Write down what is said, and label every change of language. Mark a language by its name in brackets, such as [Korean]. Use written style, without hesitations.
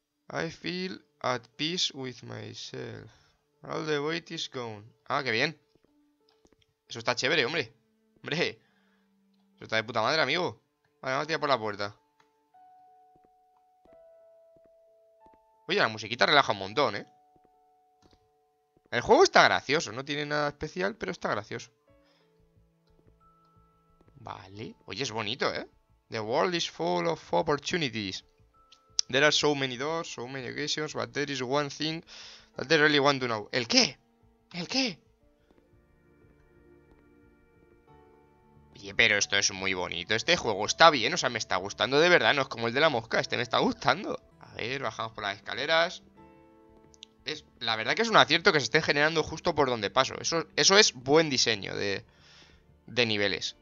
[English] I feel at peace with myself. All the weight is gone. [Spanish] Ah, qué bien. Eso está chévere, hombre. Hombre. Eso está de puta madre, amigo. Vale, vamos a tirar por la puerta. Oye, la musiquita relaja un montón, ¿eh? El juego está gracioso. No tiene nada especial, pero está gracioso. Vale. Oye, es bonito, ¿eh? [English] The world is full of opportunities. There are so many doors, so many occasions, but there is one thing that they really want to know. [Spanish] ¿El qué? ¿El qué? Oye, pero esto es muy bonito. Este juego está bien, o sea, me está gustando de verdad. No es como el de la mosca, este me está gustando. A ver, bajamos por las escaleras. Es, la verdad que es un acierto que se esté generando justo por donde paso. Eso es buen diseño de niveles.